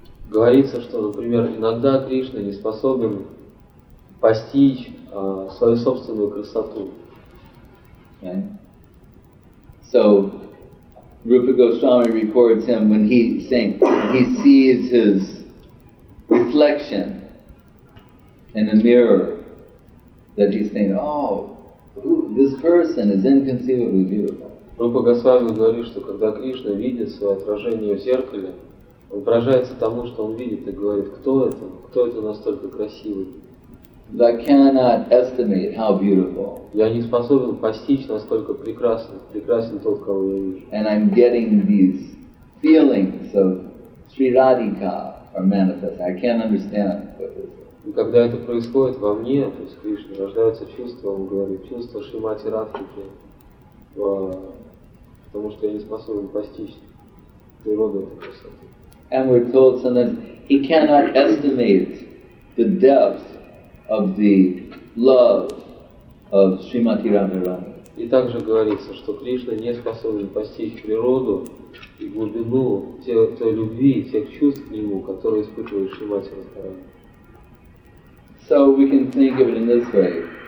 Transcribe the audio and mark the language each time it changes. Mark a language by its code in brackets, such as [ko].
[ru] Говорится, что, например, иногда Кришна не способен постичь свою собственную красоту. [en] Okay. So Rupa Goswami reports him when he saying he sees his reflection in a mirror that he's saying, oh, this person is inconceivably beautiful. [ru] Рупа Госвами говорит, что когда Кришна видит свое отражение в зеркале, он поражается тому, что он видит, и говорит, кто это настолько красивый. [en] I cannot estimate how beautiful. [ru] Я не способен постичь, насколько прекрасен тот, кого я вижу. [en] And I'm getting these feelings of Sri Radhika are manifest. I can't understand what is. [ru] И когда это происходит во мне, то есть Кришна, рождается чувство, он говорит, чувство Шримати Радхики. Потому что я не способен постичь природу этой красоты. [en] And we're told sometimes he cannot estimate the depth of the love of Srimati Radharani. [ru] И также говорится, что Кришна не способен постичь природу и глубину той любви и тех чувств к нему, которые испытывает Шримати Радхарани. [en] So we can think of it in this way.